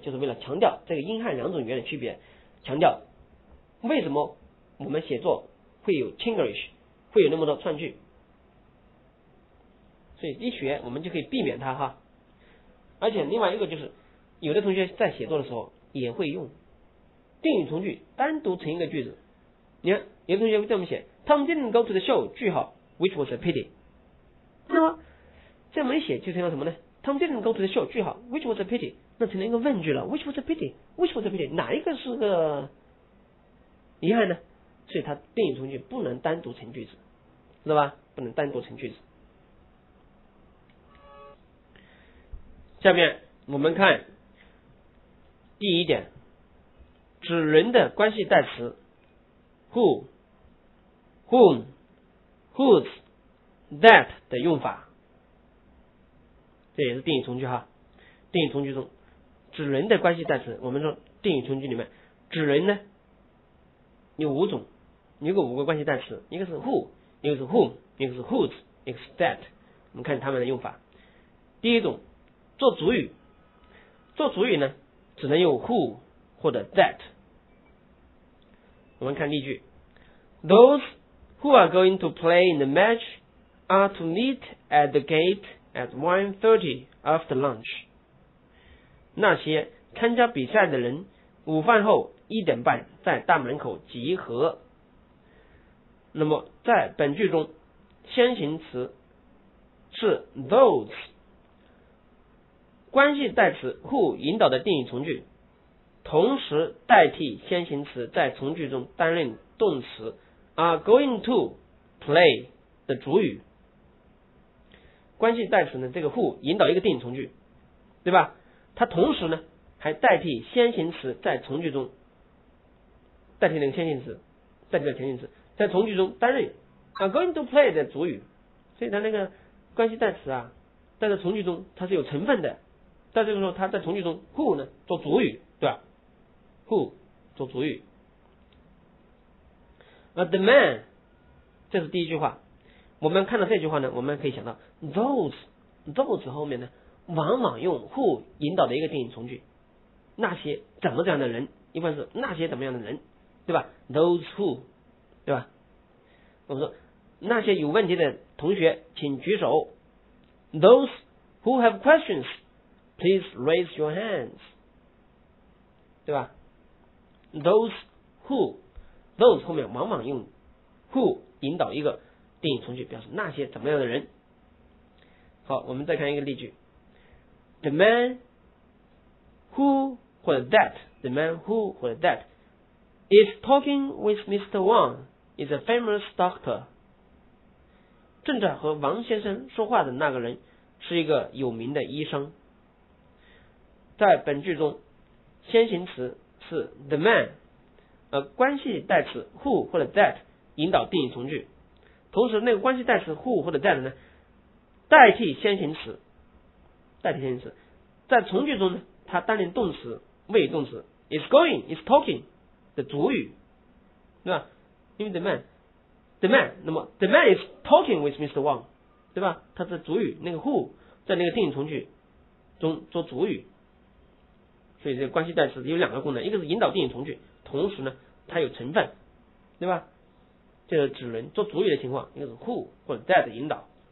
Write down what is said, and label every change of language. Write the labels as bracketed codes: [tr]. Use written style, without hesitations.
[zh] 就是为了强调这个英汉两种语言的区别，强调为什么我们写作会有 Chinglish， 会有那么多串句。所以一学我们就可以避免它哈，而且另外一个就是，有的同学在写作的时候也会用定语从句单独成一个句子。你看，有的同学会这么写 [en] ：Tom didn't go to the show [zh] 句号 [en] ，which was a pity。 [zh] 那么这么一写就成了什么呢 ？ [en] Tom didn't go to the show [zh] 句号 ， [en] which was a pity， [zh] 那成了一个问句了 ，which was a pity，which was a pity， 哪一个是个遗憾呢？所以它定语从句不能单独成句子，知道吧？不能单独成句子。下面我们看第一点，指人的关系代词 who、whom、whose、that 的用法，这也是定语从句哈。定语从句中指人的关系代词，我们说定语从句里面指人呢有五种，一个五个关系代词，一个是 who， 一个是 whom， 一个是 whose， 一个是 that， 我们看他们的用法。第一种，做主语，做主语呢只能用 who 或者 that。我们看例句， [en] Those who are going to play in the match are to meet at the gate at 1:30 after lunch， [zh] 那些参加比赛的人午饭后一点半在大门口集合。那么在本句中先行词是 those，关系代词 who 引导的定语从句同时代替先行词在从句中担任动词 are going to play 的主语。关系代词呢，这个 who 引导一个定语从句，对吧？它同时呢还代替先行词在从句中，代替那个先行词，代替了前行词，在从句中担任 are going to play 的主语。所以它那个关系代词啊，在这从句中它是有成分的，在这个时候他在从句中 who 呢做主语，对吧？ who 做主语。那 the man 这是第一句话，我们看到这句话呢，我们可以想到 those 后面呢往往用 who 引导的一个定语从句，那些怎么怎样的人，一般是那些怎么样的人，对吧？ those who， 对吧？我们说那些有问题的同学请举手， [en] those who have questionsPlease raise your hands， [zh] 对吧？ Those who， those 后面往往用 who 引导一个定语从句，表示那些怎么样的人。好，我们再看一个例句， [en] The man who 或者 that， The man who 或者 that is talking with Mr. Wang is a famous doctor， [zh] 正在和王先生说话的那个人是一个有名的医生。在本句中先行词是 the man， 关系代词 who 或者 that 引导定语从句，同时那个关系代词 who 或者 that 呢代替先行词，代替先行词在从句中呢它担任动词谓语动词 is going is talking 的主语，对吧？因为 [en] the man 那么 the man is talking with Mr. [zh] Wang， 对吧？它是主语，那个 who 在那个定语从句中做主语，所以这个关系代词有两个功能，一个是引导定语从句，同时呢它有成分，对吧？就是只能做主语的情况，一个是 who 或者 that 引导。